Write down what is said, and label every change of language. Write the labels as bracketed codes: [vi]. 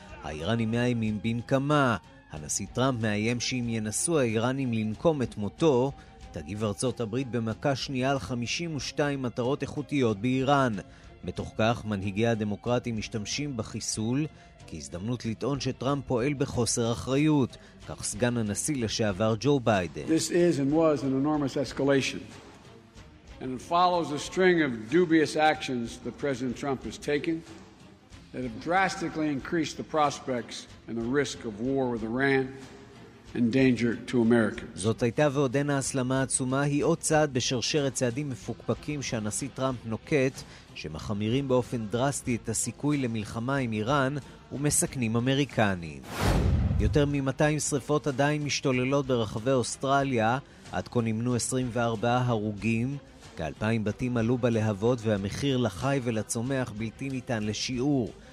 [he] האיראנים מאיימים בנקמה. הנשיא טראמפ מאיים שאם ינסו האיראנים לנקום את מותו, תגיב ארצות הברית במכה שנייה על 52 מטרות איכותיות באיראן. בתוך כך, מנהיגי הדמוקרטים משתמשים בחיסול כהזדמנות לטעון שטראמפ פועל בחוסר אחריות. כך סגן הנשיא לשעבר ג'ו ביידן. [en] This is and was an enormous escalation. And it follows a string of dubious actions the President Trump has taken that have drastically increased the prospects and the risk of war with Iran and danger to America. [he] זאת הייתה ועודנה הסלמה עצומה, היא עוד צעד בשרשרת צעדים מפוקפקים שהנשיא טראמפ נוקט, שמחמירים באופן דרסטי את הסיכוי למלחמה עם איראן ומסכנים אמריקנים. יותר מ-200 שריפות עדיין משתוללות ברחבי אוסטרליה, עד כה נמנו 24 הרוגים, כ-2,000 בתים עלו בלהבות והמחיר לחי ולצומח בלתי ניתן לשיעור.